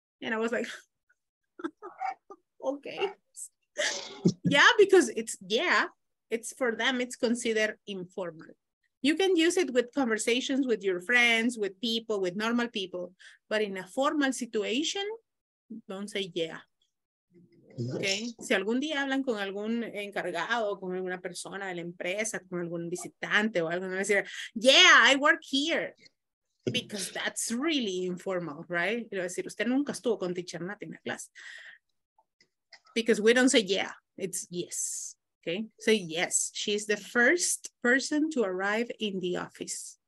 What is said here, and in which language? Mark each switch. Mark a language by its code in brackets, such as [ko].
[en] And I was like, okay. Yeah, because it's yeah, it's for them, it's considered informal. You can use it with conversations with your friends, with people, with normal people, but in a formal situation, don't say yeah. Okay. [es] Si algún día hablan con algún encargado, con alguna persona de la empresa, con algún visitante o algo, no decir, [en] yeah, I work here. because that's really informal, right? [es] Quiero decir, usted nunca estuvo con teacher Nat en la clase. [en] Because we don't say yeah, it's yes. Okay, so yes, she's the first person to arrive in the office.